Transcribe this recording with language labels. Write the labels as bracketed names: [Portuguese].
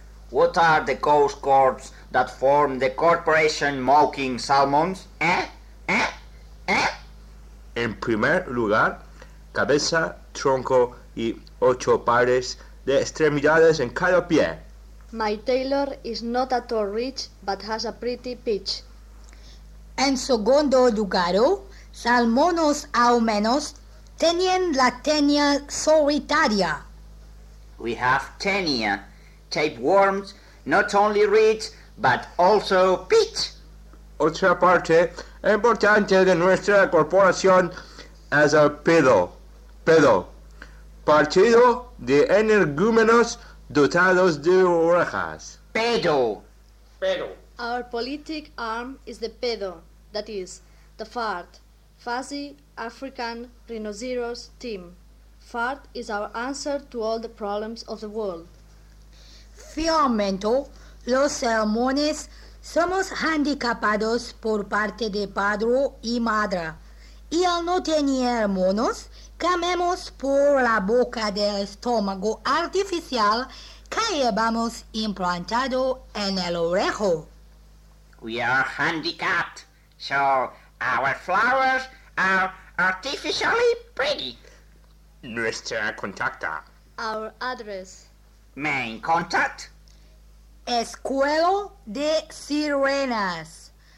[English] What are the Coast Corps that form the Corporation Mocking Salmons? [Spanish] En primer lugar, cabeza, tronco y 8 pares de extremidades en cada pie. [English] My tailor is not at all rich, but has a pretty pitch. [Spanish] En segundo lugar, salmones al menos tenían la tenia solitaria. [English] We have tenia, tapeworms, not only rich, but also pitch. [Spanish] Otra parte importante de nuestra corporación es el pedo, partido de energúmenos dotados de orejas. Pedo. [English] Our politic arm is the pedo, that is, the fart, fuzzy African rhinoceros team. Fart is our answer to all the problems of the world. [Spanish] Finalmente, los salmones somos handicapados por parte de padre y madre. Y al no tener monos, comemos por la boca del estómago artificial que llevamos implantado en el orejo. [English] We are handicapped, so our flowers are artificially pretty. [Spanish] Nuestra contacta. [English] Our address. Main contact. [Spanish] Escuela de Sirenas.